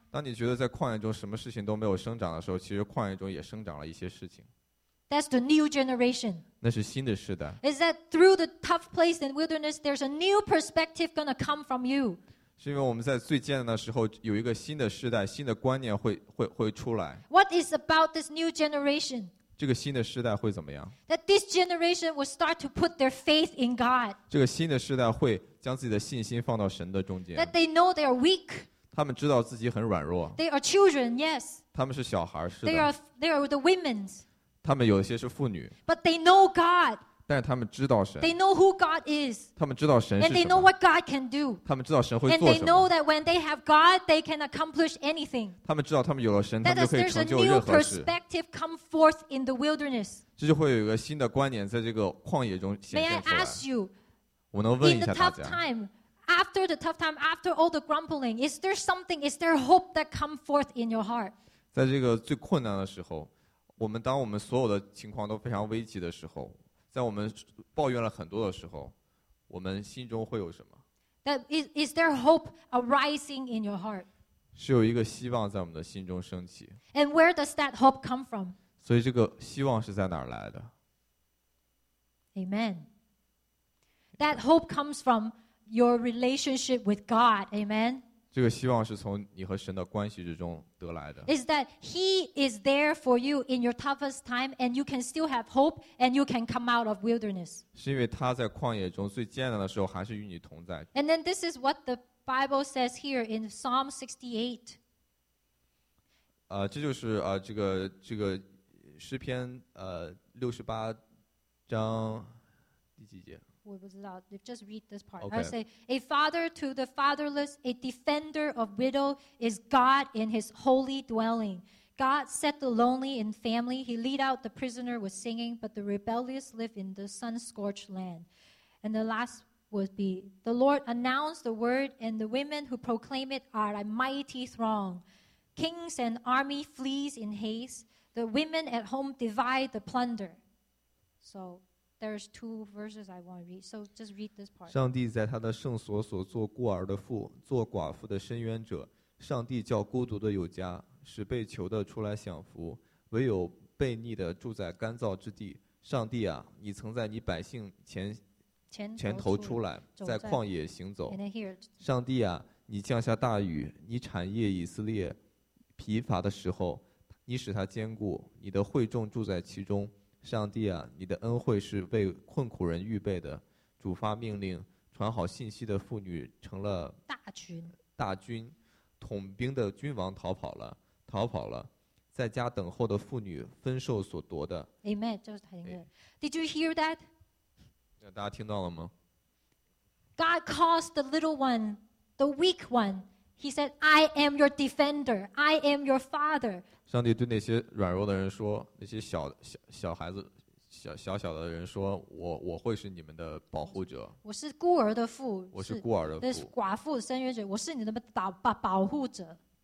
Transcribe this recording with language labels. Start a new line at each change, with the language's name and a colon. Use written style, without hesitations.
Chinese: 当你觉得在旷野中什么事情都没有生长的时候，其实旷野中也生长了一些事情。
English: That's the new generation.
Chinese: 那是新的世代。
English: Is that through the tough place and wilderness, there's a new perspective going to come from you?
Chinese: 是因为我们在最艰难的时候，有一个新的世代，新的观念会出来。
English: What is about this new generation?
Chinese: 这个新的世代会怎么样？
English: That this generation will start to put their faith in God.
Chinese: 这个新的世代会将自己的信心放到神的中间。
English: That they know they are weak.
Chinese: 他们知道自己很软弱。
English: They are children, yes.
Chinese: 他们是小孩，是的。
English: They are the women.
Chinese: 他们有些是妇女
English: but they know God.
Chinese: 但是他们知道神
English: they know who God is.
Chinese: 他们知道神是什么
English: and they know what God can do.
Chinese: 他们知道神会做什么
English: and they know that when they have God, they can accomplish anything.
Chinese: 他们知道他们有了神，他们就可以成就任何事。
English: That is, there's a new perspective come forth in the wilderness.
Chinese: 这就会有一个新的观点在这个旷野中显现出来。
English: May I ask you,
Chinese: 我能问一下大家
English: in the tough time, after the tough time, after all the grumbling, is there something, is there hope that come forth in your heart?
Chinese: 在这个最困难的时候，我们当我们所有的情况都非常危急的时候，在我们抱怨了很多的时候，我们心中会有什么？
English: That is there hope arising in your heart?
Chinese: 是有一个希望在我们的心中升起。
English: And where does that hope come from?
Chinese: 所以这个希望是在哪儿来的？
English: Amen. That hope comes from your relationship with God. Amen.
Chinese: 这个希望是从你和神的关系之中得来的。
English: Is that He is there for you in your toughest time, and you can still have hope, and you can come out of wilderness.
Chinese: 是因为他在旷野中最艰难的时候还是与你同在。
English: And then this is what the Bible says here in Psalm 68.
Chinese: 这就是这个诗篇六十八章第几节？我不知道
English: just read this part. Okay. I say, a father to the fatherless, a defender of widow is God in his holy dwelling. God set the lonely in family. He lead out the prisoner with singing, but the rebellious live in the sun-scorched land. And the last would be, the Lord announced the word, and the women who proclaim it are a mighty throng. Kings and army flees in haste. The women at home divide the plunder. So... there's two verses I want to read. So just read this part.
Chinese: 上帝在他的圣所所做孤儿的父，做寡妇的伸冤者。上帝叫孤独的有家，使被囚的出来享福，唯有悖逆的住在干燥之地。上帝啊，你曾在你百姓前头出来，在旷野行走。上帝啊，你降下大雨，你产业以色列疲乏的时候，你使他坚固，你的会众住在其中。上帝啊，你的恩惠是为困苦人预备的，主发命令，传好信息的妇女成了大军，统兵的君王逃跑了，在家等候的妇女分受所夺的。
English: Amen. Just hang it. Did you hear that?
Chinese: 大家听到了吗
English: ？God calls the little one, the weak one. He said, "I am your defender. I am your father."
Chinese: 上帝对那些软弱的人说，那些小孩子。小小的人说我会是你们的保护者，我是孤儿的父，是寡妇生育者，我是你们的保护者。